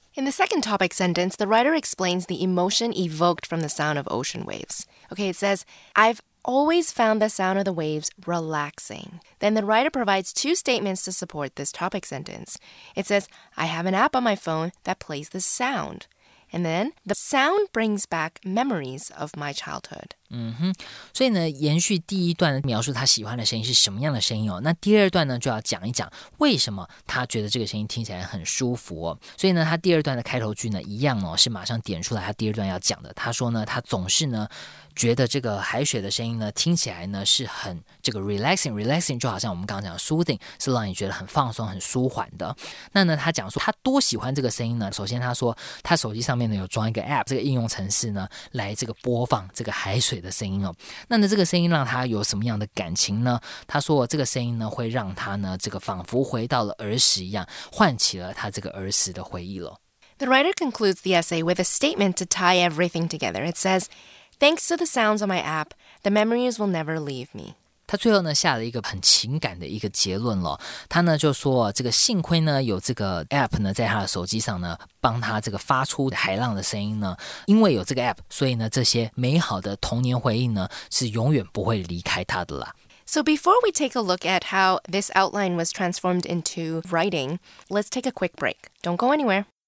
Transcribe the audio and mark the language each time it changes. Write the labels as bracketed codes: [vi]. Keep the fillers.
[en] second topic sentence, the writer explains the emotion evoked from the sound of ocean waves. Okay, it says, I've always found the sound of the waves relaxing. Then the writer provides two statements to support this topic sentence. It says, I have an app on my phone that plays the sound. And then, the sound brings back memories of my childhood. [zh] 嗯哼，所以呢，延续第一段描述他喜欢的声音是什么样的声音哦。那第二段呢，就要讲一讲为什么他觉得这个声音听起来很舒服哦。所以呢，他第二段的开头句呢，一样哦，是马上点出来他第二段要讲的。他说呢，他总是呢，觉得这个海水的声音呢，听起来呢，是很这个 relaxing，relaxing，就好像我们刚刚讲的 soothing，是让你觉得很放松、很舒缓的。那呢，他讲说他多喜欢这个声音呢。首先，他说他手机上面呢有装一个 app，这个应用程式呢，来这个播放这个海水。 [en] The writer concludes the essay with a statement to tie everything together. It says, Thanks to the sounds on my app, the memories will never leave me. [zh] 他最后呢下了一个很情感的一个结论了，他呢就说这个幸亏呢有这个 app 呢在他的手机上呢帮他这个发出海浪的声音呢，因为有这个 app，所以呢这些美好的童年回忆呢是永远不会离开他的啦。 [en] So, before we take a look at how this outline was transformed into writing, let's take a quick break. Don't go anywhere.